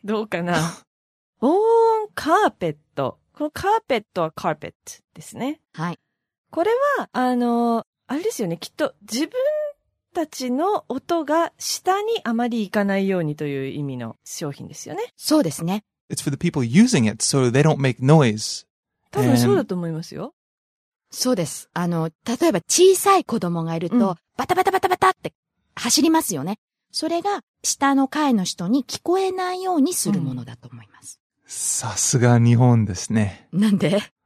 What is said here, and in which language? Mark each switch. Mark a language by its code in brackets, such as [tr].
[ja] どうかな。防音カーペット。このカーペットはカーペットですね。はい。これは、あれですよね。きっと自分私たちの音が下にあまり行かないようにという意味の商品ですよね。そうですね。 [en] It's for the people using it, so they don't make noise. [ja] 多分そうだと思いますよ。そうです。例えば小さい子供がいると、バタバタバタバタって走りますよね。それが下の階の人に聞こえないようにするものだと思います。さすが日本ですね。なんで？